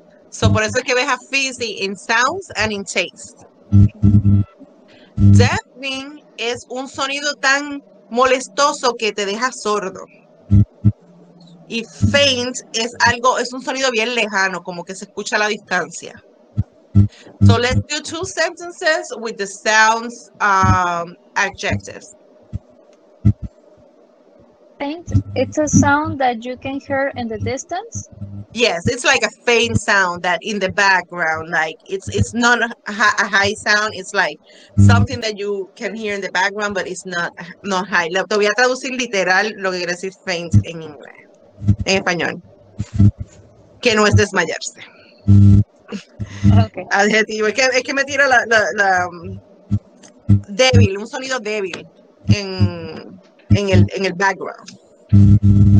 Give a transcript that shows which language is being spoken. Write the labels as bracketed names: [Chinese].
[Spanish] So por eso es que ves a fizzy [English] in sounds and in taste. [Spanish] Deafening es un sonido tan molestoso que te deja sordo. Y faint es algo, es un sonido bien lejano, como que se escucha a la distancia. [English] So let's do two sentences with the sounds adjectives. Faint, it's a sound that you can hear in the distance? Yes, it's like a faint sound that in the background, like it's not a high sound. It's like something that you can hear in the background, but it's not high. [Spanish] Lo voy a traducir literal lo que quiere decir faint en inglés, en español. Que no es desmayarse. [English] Okay. [Spanish] Adjetivo. Es que me tira la débil, un sonido débil en el background.